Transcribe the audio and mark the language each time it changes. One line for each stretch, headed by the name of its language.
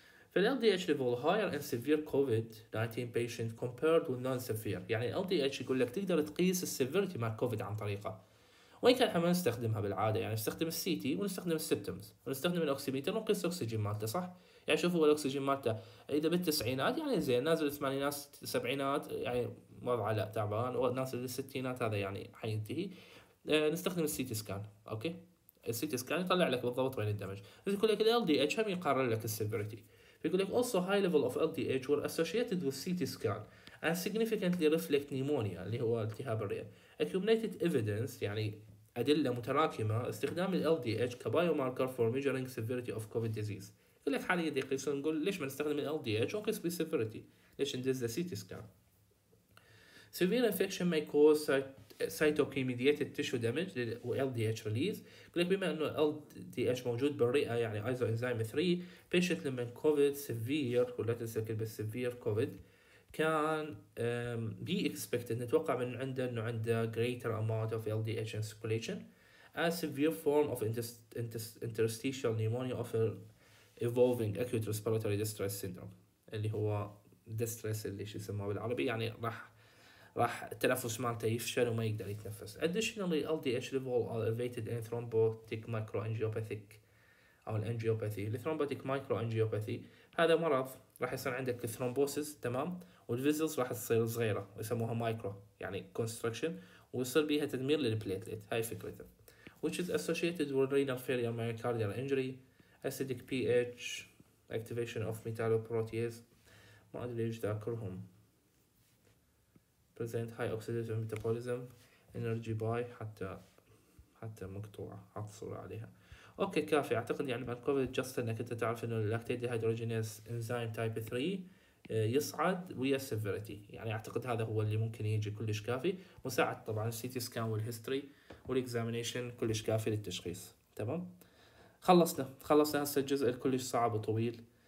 Arabic: فال دي اتش ليفل هاير ان سيفير كوفيد 19 بيشنت كومبيرد وذ نون سيفير، يعني ال دي اتش يقول لك تقدر تقيس السيفيرتي مع كوفيد عن طريقه، وين كان احنا نستخدمها بالعاده؟ يعني نستخدم السي تي ونستخدم السيبتومز ونستخدم الاوكسيميتر ونقيس الاكسجين مالته، صح؟ يعني شوفوا الاكسجين مالته اذا بالتسعينات يعني زين، نازل الثمانينات سبعينات يعني وضعه لا تعبان، ونازل الستينات هذا يعني حينتهي. نستخدم السي تي سكان، اوكي؟ السي تي سكان يطلع لك بالضبط وين الدمج. يقول لك ال دي اتش هم يقرر لك السيفيريتي.
English: يقول لك also high level of LDH were associated with CT scan and significantly reflect pneumonia
Arabic: اللي هو التهاب الرئة.
English: Accumulated evidence
Arabic: يعني أدلة متراكمة استخدام ال
English: LDH كبايوماركر for measuring severity of COVID disease.
Arabic: يقول لك حاليا يقيسون، نقول ليش ما نستخدم ال LDH ونقيس بي severity؟ ليش ندز ذا CT scan؟
English: Severe infection may cause cytokine mediated tissue damage و LDH release.
Arabic: يقول لك بما انه LDH موجود بالرئة يعني isoenzyme 3 patient لما COVID severe، ولا تنسى كلمة severe COVID، كان be expected نتوقع من عنده انه عنده
English: greater amount of LDH in circulation as severe form of interstitial pneumonia of evolving acute respiratory distress syndrome
Arabic: اللي هو distress اللي شو يسموه بالعربي، يعني راح التنفس مالته يفشل وما يقدر يتنفس.
English: Additionally, LDH level are elevated in thrombotic microangiopathic
Arabic: أو الانجيوباثي. الثرومبوتيك microangiopathy هذا مرض راح يصير عندك thrombosis، تمام، والفيزلز راح تصير صغيرة ويسموها micro يعني constriction، ويصير بيها تدمير للبليتليت، هاي فكرته.
English: Which is associated with renal failure, myocardial injury, acidic pH, activation of metalloproteases.
Arabic: ما أدري ليش ذاكرهم.
English: Present high oxidative metabolism, energy buy،
Arabic: حتى مقطوعة حط صورة عليها. أوكي كافي، أعتقد يعني بعد كوفيد جست إنك أنت تعرف إنه اللاكتيت دي هيدروجينيز إنزيم تايب 3 يصعد ويا سيفيريتي، يعني أعتقد هذا هو اللي ممكن يجي كلش كافي، مساعد طبعا السي تي سكان والهيستوري والإكزامينيشن كلش كافي للتشخيص. تمام، خلصنا هسه الجزء الكلش صعب وطويل.